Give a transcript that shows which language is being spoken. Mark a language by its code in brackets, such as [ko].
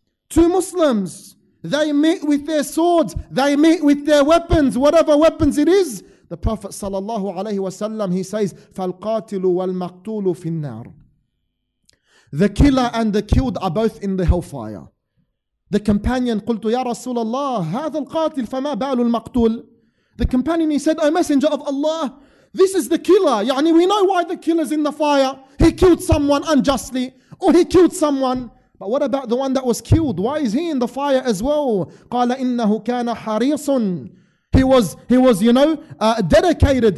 [en] Two Muslims, they meet with their swords, they meet with their weapons, whatever weapons it is. The Prophet sallallahu alayhi wasallam, he says, [ar] فَالْقَاتِلُ وَالْمَقْتُولُ فِي النَّارِ. [en] The killer and the killed are both in the hellfire. The companion, [ar] قلت يا رسول الله هذا القاتل فما بال المقتول. [en] The companion, he said, O messenger of Allah, this is the killer. [ar] يعني [en] we know why the killer's in the fire. He killed someone unjustly, or he killed someone. But what about the one that was killed? Why is he in the fire as well? [ar] قال إنه كان حريص. [en] He was dedicated.